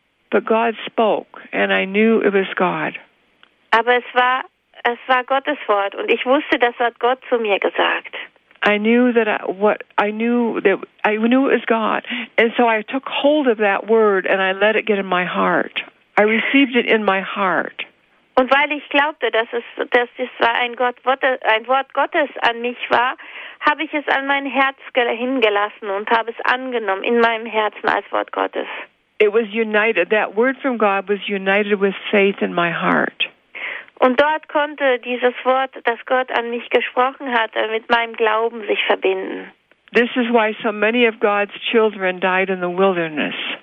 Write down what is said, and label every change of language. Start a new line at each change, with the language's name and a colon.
English: But God spoke, and I knew it was God.
German: Aber es war Gottes Wort, und ich wusste, das hat Gott zu mir gesagt.
English: I knew it was God, and so I took hold of that word and I let it get in my heart. I received it in my heart.
German: Und weil ich glaubte, dass es ein Wort Gottes an mich war, habe ich es an mein Herz hingelassen und habe es angenommen in meinem Herzen als Wort Gottes.
English: It was united. That word from God was united with faith in my heart.
German: Und dort konnte dieses Wort, das Gott an mich gesprochen hat, mit meinem Glauben sich verbinden.
English: This is why so many of God's children died in the wilderness.